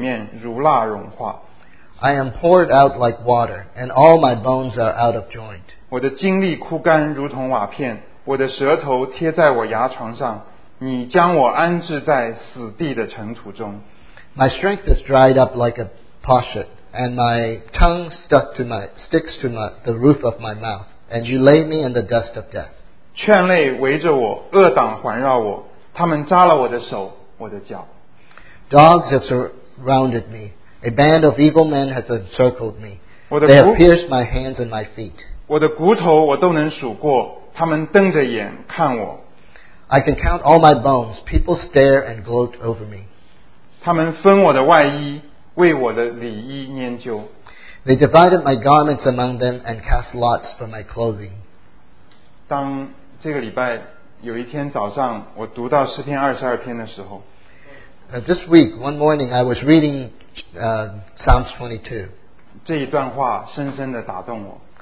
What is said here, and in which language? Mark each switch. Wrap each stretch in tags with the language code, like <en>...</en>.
<zh>我如水被倒出来，我的骨头都脱了节，我的心在我里面如蜡融化。I</zh> <en>am poured out like water, and all my bones are out of joint.</en> <zh>我的精力枯干如同瓦片，我的舌头贴在我牙床上，你将我安置在死地的尘土中。My</zh> <en>strength is dried up like a potsherd, and my tongue sticks to the roof of my mouth, and you lay me in the dust of death.</en> <zh>圈内围着我，恶党环绕我，他们扎了我的手，我的脚。</zh> <en>Dogs have surrounded me; a band of evil men has encircled me. They have pierced my hands and my feet.</en> <zh>我的骨头我都能数过，他们瞪着眼看我。</zh> <en>I can count all my bones; people stare and gloat over me.</en> <zh>他们分我的外衣，为我的里衣研究。</zh> <en>They divided my garments among them and cast lots for my clothing.</en> <zh>当这个礼拜有一天早上，我读到诗篇二十二篇的时候。</zh> <en>This week, one morning, I was reading Psalms 22.</en> <zh>这一段话深深地打动我。</zh>